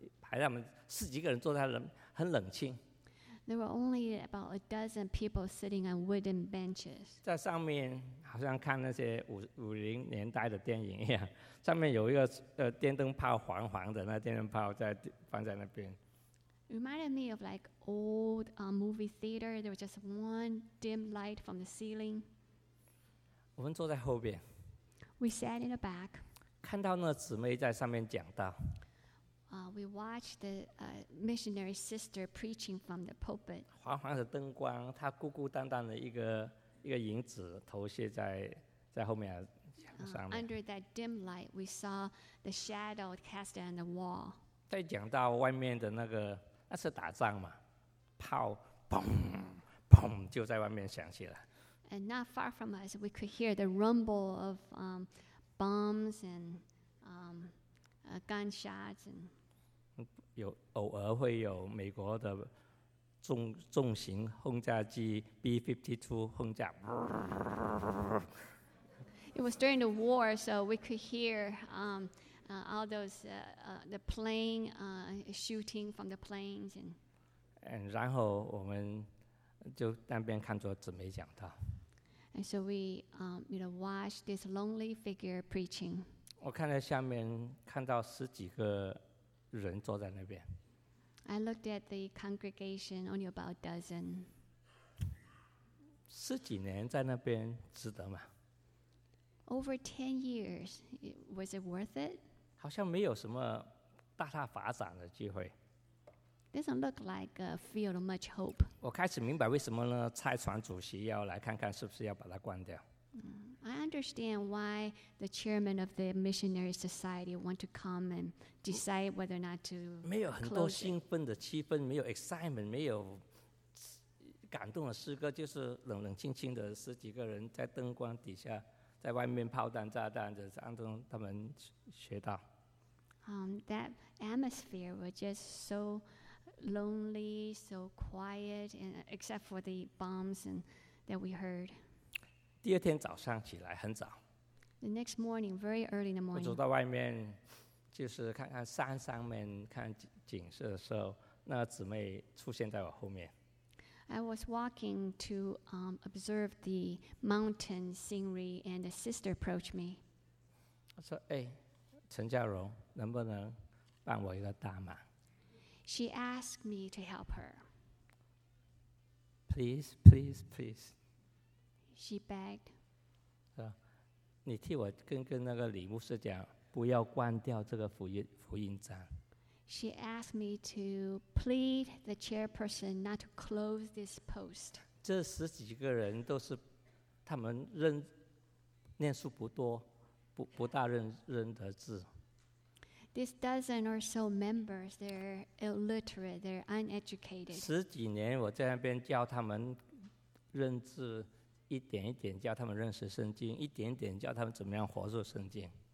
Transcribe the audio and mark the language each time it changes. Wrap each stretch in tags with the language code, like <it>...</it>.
<zh>还让我们十几个人坐在那，很冷清。</zh> <en>There were only about a dozen people sitting on wooden benches.</en> <zh>在上面好像看那些50年代的电影一样，上面有一个电灯泡，黄黄的那电灯泡放在那边。</zh> <en>Reminded me of like old movie theater. There was just one dim light from the ceiling.</en> <zh>我们坐在后边。</zh> <en>We sat in the back.</en> <zh>看到那姊妹在上面讲道。</zh> <en>We watched the missionary sister preaching from the pulpit.</en> <zh>黄黄的灯光，她孤孤单单的一个影子投射在后面墙上面。</zh> <en>Under that dim light, we saw the shadow cast on the wall.</en> <zh>在讲到外面的那是打仗嘛，炮砰砰就在外面响起来。</zh> <en>And not far from us, we could hear the rumble of bombs and gunshots and</en> <zh>有偶尔会有美国的重型轰炸机 B-52 轰炸。</zh> <en>It was during the war, so we could hear all those the plane shooting from the planes and.</en> <zh>And 然后我们就那边看着姊妹讲道。</zh> <en>And so we watched this lonely figure preaching.</en> <zh>我看到下面看到十几个人坐在那边。</zh> <en>I looked at the congregation, only about a dozen.</en> <zh>十几年在那边值得吗</zh> <en>？Over 10 years, was it worth it?</en> <zh>好像没有什么大发展的机会。</zh> <en>Doesn't look like a field of much hope.</en> <zh>我开始明白为什么呢？蔡传主席要来看看是不是要把它关掉。</zh> <en>I understand why the chairman of the missionary society want to come and decide whether or not to close it.</en> <zh>没有很多兴奋的气氛，没有 excitement， 没有感动的诗歌，就是冷冷清清的十几个人在灯光底下，在外面炮弹炸弹的当中，他们学到。</zh> <en>That atmosphere was just so lonely, so quiet, and except for the bombs and that we heard.</en> <zh>第二天早上起来很早。</zh> <en>The next morning, very early in the morning.</en> <zh>我走到外面，就是看看山上面看景色的时候，那个姊妹出现在我后面。</zh> <en>I was walking to observe the mountain scenery, and a sister approached me.</en> <zh>她说：“哎，陈嘉荣，能不能帮我一个大忙</zh> <en>？”She asked me to help her. Please, please, please. She begged.</en> <zh>你替我跟那个李牧师讲，不要关掉这个福音章。</zh> <en>She asked me to plead the chairperson not to close this post.</en> <zh>这十几个人都是，他们认念数不多，不大认得字。</zh> <en>This dozen or so members, they're illiterate, they're uneducated.</en> <zh>十几年我在那边教他们认字，一点一点教他们认识圣经，一点一点教他们怎么样活出圣经。</zh>